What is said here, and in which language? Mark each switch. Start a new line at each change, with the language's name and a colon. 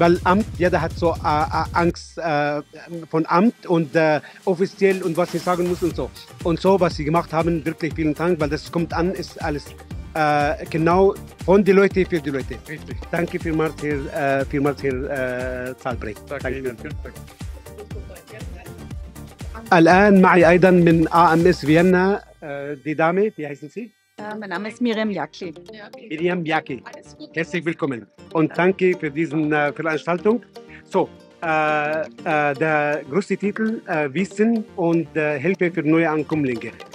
German: Weil Amt, jeder hat so Angst von Amt und offiziell und was sie sagen muss und so. Und so, was sie gemacht haben, wirklich vielen Dank, weil das kommt an, ist alles genau von den Leuten für die Leute. Richtig. Danke vielmals hier, Zahlbrecht. Danke Ihnen.
Arabic: الآن معي أيضا من AMS فيينا دي دامي في
German: heißen Sie? Mein Name ist Miriam Jaki. Miriam Jaki. Herzlich willkommen und danke für diesen Veranstaltung. So, der große Titel Wissen und Hilfe für neue Ankömmlinge.